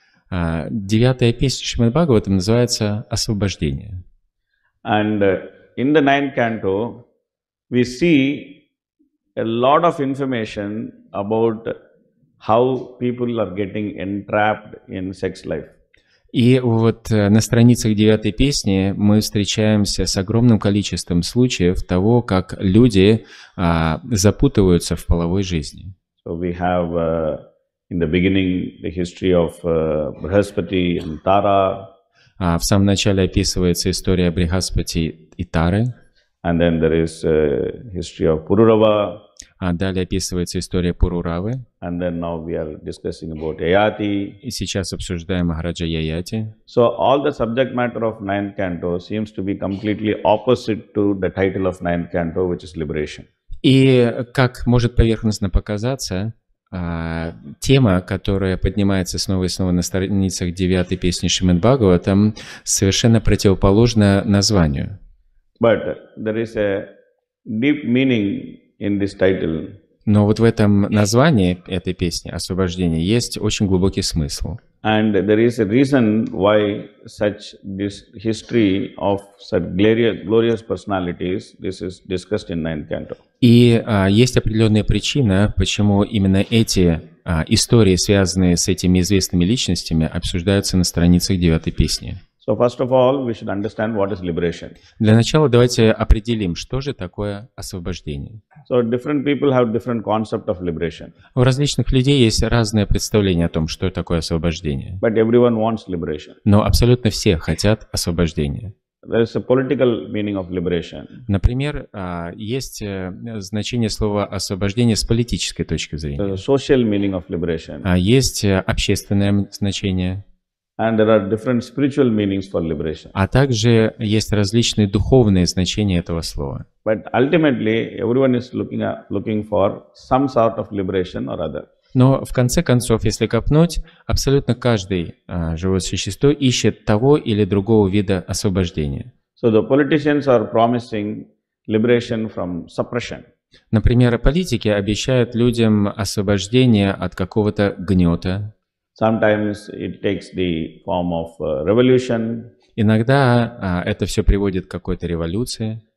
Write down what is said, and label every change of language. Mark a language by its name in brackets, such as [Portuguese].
[Russian] Девятая песня Шримад Бхагаватам называется «Освобождение». [English] And in the ninth canto, we see a lot of information about how people are getting entrapped in sex life. [Russian] И вот на страницах девятой песни мы встречаемся с огромным количеством случаев того, как люди запутываются в половой жизни. [English] So we have in the beginning the history of Брихаспати and Тара. [Russian] В самом начале описывается история Брихаспати и Тары. [English] And then there is history of Пурурава. [Russian] А далее описывается история Пуруравы. [English] And then now we are discussing about Яяти. [Russian] И сейчас обсуждаем Махараджа Яяти. [English] So all the subject matter of ninth canto seems to be completely opposite to the title of ninth canto, which is liberation. [Russian] И как может поверхностно показаться, тема, которая поднимается снова и снова на страницах девятой песни Шримад Бхагаватам, совершенно противоположна названию. [English] But there is a deep meaning in this title. [Russian] Но вот в этом названии этой песни «Освобождение» есть очень глубокий смысл. [English] And there is a reason why such this history of such glorious personalities this is discussed in ninth canto. [Russian] И есть определенная причина, почему именно эти истории, связанные с этими известными личностями, обсуждаются на страницах девятой песни. [English] So first of all, we should understand what is liberation. [Russian] Для начала давайте определим, что же такое освобождение. [English] So different people have different concept of liberation. [Russian] У различных людей есть разное представление о том, что такое освобождение. [English] But everyone wants liberation. [Russian] Но абсолютно все хотят освобождения. [English] There is a political meaning of liberation. [Russian] Например, есть значение слова освобождение с политической точки зрения. [English] There is a social meaning of liberation. [Russian] А есть общественное значение. [English] And there are different spiritual meanings for liberation. [Russian] А также есть различные духовные значения этого слова. [English] But ultimately, everyone is looking for some sort of liberation or other. [Russian] Но в конце концов, если копнуть, абсолютно каждый живое существо ищет того или другого вида освобождения. [English] So the politicians are promising liberation from suppression. [Russian] Например, политики обещают людям освобождение от какого-то гнета. [English] Sometimes it takes the form of revolution. [Russian] Иногда это все приводит к какой-то революции.